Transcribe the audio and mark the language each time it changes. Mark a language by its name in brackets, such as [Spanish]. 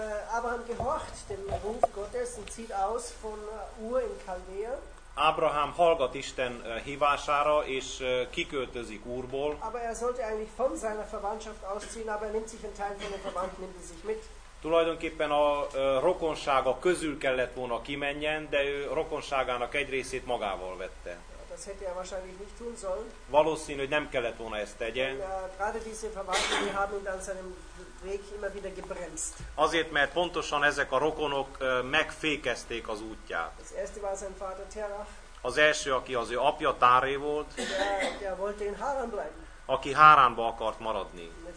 [German] Abraham gehorcht dem Ruf Gottes und zieht aus von Ur in Chaldea. [Hungarian] Abraham hallgat Isten hívására és kiköltözik Úrból. [German] Aber er sollte eigentlich von seiner Verwandtschaft ausziehen, aber er nimmt sich einen Teil von den Verwandten, nimmt er sich mit. [Hungarian] Tulajdonképpen a rokonsága közül kellett volna kimenjen, de ő rokonságának egy részét magával vette. [German] Das hätte er wahrscheinlich nicht tun sollen. [Hungarian] Valószínű, hogy nem kellett volna ezt tegyen. [German] Gerade diese Verwandten, die haben ihn dann seinem Weg immer wieder gebremst. [Hungarian] Azért, mert pontosan ezek a rokonok megfékezték az útját. [German] Das erste war sein Vater Terach. [Hungarian] Az első, aki az ő apja Táré volt. [German] Der wollte in Haran bleiben. [Hungarian] Aki Háránba akart maradni.